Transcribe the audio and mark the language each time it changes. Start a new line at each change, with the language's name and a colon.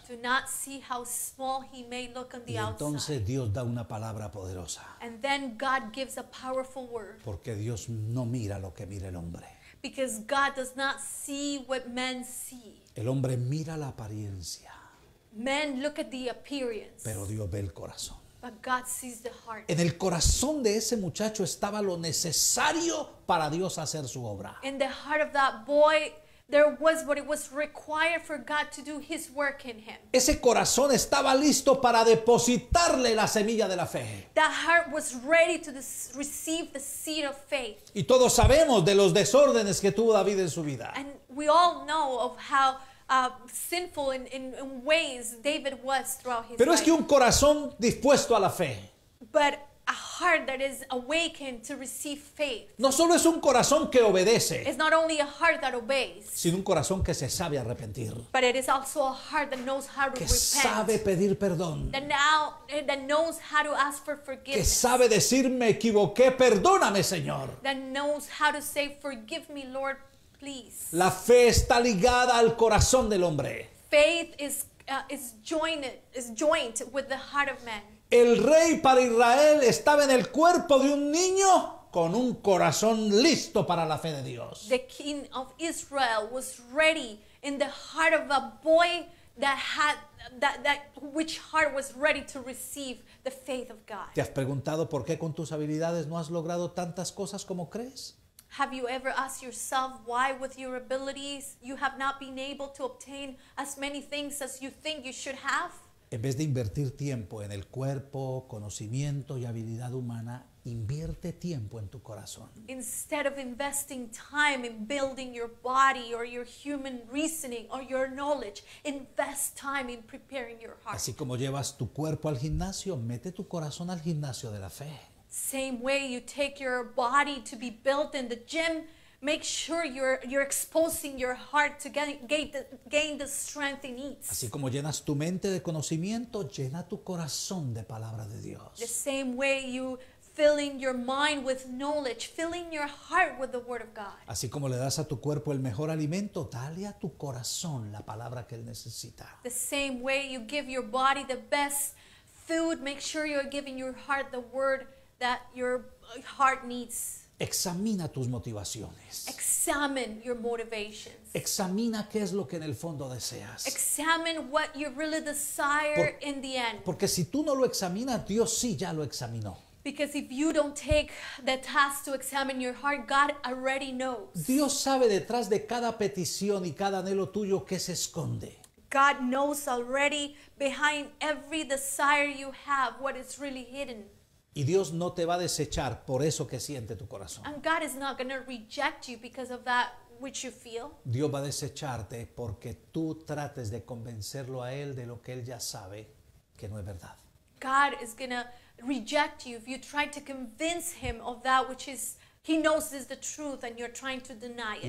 English: Do not see how small he may look on the outside.
Spanish: Y entonces Dios da una palabra poderosa.
English: And then God gives a powerful word.
Spanish: Porque Dios no mira lo que mira el hombre.
English: Because God does not see what men see.
Spanish: El hombre mira la apariencia.
English: Men look at the appearance.
Spanish: Pero Dios ve el corazón.
English: But God sees the heart.
Spanish: En el corazón de ese muchacho estaba lo necesario para Dios hacer su obra.
English: In the heart of that boy, there was what it was required for God to do his work in him.
Spanish: Ese corazón estaba listo para depositarle la semilla de la fe.
English: That heart was ready to receive the seed of faith.
Spanish: Y todos sabemos de los desórdenes que tuvo David en su vida.
English: And we all know of how sinful in ways David was throughout his life.
Spanish: Pero es que un corazón dispuesto a la fe.
English: But a heart that is awakened to receive faith.
Spanish: No solo es un corazón que obedece.
English: It's not only a heart that obeys.
Spanish: Sino un corazón que se sabe arrepentir.
English: But it is also a heart that knows how to repent.
Spanish: Que sabe pedir perdón.
English: That knows how to ask for forgiveness.
Spanish: Que sabe decir me equivoqué, perdóname, Señor.
English: That knows how to say forgive me, Lord, please.
Spanish: La fe está ligada al corazón del hombre.
English: Faith is joined with the heart of man.
Spanish: El rey para Israel estaba en el cuerpo de un niño con un corazón listo para la fe de Dios.
English: The king of Israel was ready in the heart of a boy that had which heart was ready to receive the faith of God.
Spanish: ¿Te has preguntado por qué con tus habilidades no has logrado tantas cosas como crees?
English: Have you ever asked yourself why with your abilities you have not been able to obtain as many things as you think you should have?
Spanish: En vez de invertir tiempo en el cuerpo, conocimiento y habilidad humana, invierte tiempo en tu corazón.
English: Instead of investing time in building your body or your human reasoning or your knowledge, invest time in preparing your heart.
Spanish: Así como llevas tu cuerpo al gimnasio, mete tu corazón al gimnasio de la fe.
English: Same way you take your body to be built in the gym, make sure you're exposing your heart to gain the strength it needs.
Spanish: Así como llenas tu mente de conocimiento, llena tu corazón de palabra de Dios.
English: The same way you filling your mind with knowledge, filling your heart with the word of God.
Spanish: Así como le das a tu cuerpo el mejor alimento, dale a tu corazón la palabra que él necesita.
English: The same way you give your body the best food, make sure you're giving your heart the word that your heart needs.
Spanish: Examina tus motivaciones.
English: Examine your motivations.
Spanish: Examina qué es lo que en el fondo deseas.
English: Examine what you really desire in the end.
Spanish: Porque si tú no lo examinas, Dios sí ya lo examinó.
English: Because if you don't take the task to examine your heart, God already knows.
Spanish: Dios sabe detrás de cada petición y cada anhelo tuyo qué se esconde.
English: God knows already behind every desire you have what is really hidden.
Spanish: Y Dios no te va a desechar por eso que siente tu corazón.
English: And God is not going to reject you because of that which you feel.
Spanish: Dios va a desecharte porque tú trates de convencerlo a Él de lo que Él ya sabe que no es verdad.
English: God is going to reject you if you try to convince Him of that which is He knows is the truth and you're trying to deny it.